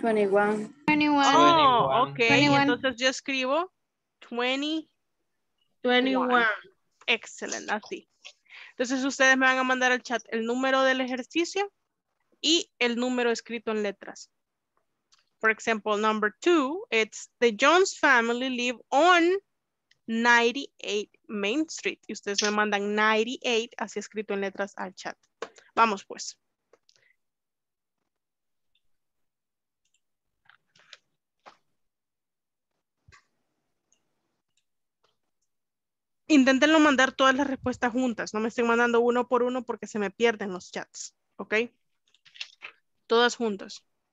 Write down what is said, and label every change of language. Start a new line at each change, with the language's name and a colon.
Spanish: 21. Oh, ok. 21. Entonces yo escribo 21. Excelente, así. Entonces ustedes me van a mandar al chat el número del ejercicio y el número escrito en letras.
English: For example, number two, it's the Jones family live on 98 Main Street.
Spanish: Y ustedes me mandan 98, así escrito en letras al chat. Vamos pues. Inténtenlo mandar todas las respuestas juntas. No me estén mandando uno por uno porque se me pierden los chats. ¿Ok? Todas juntas.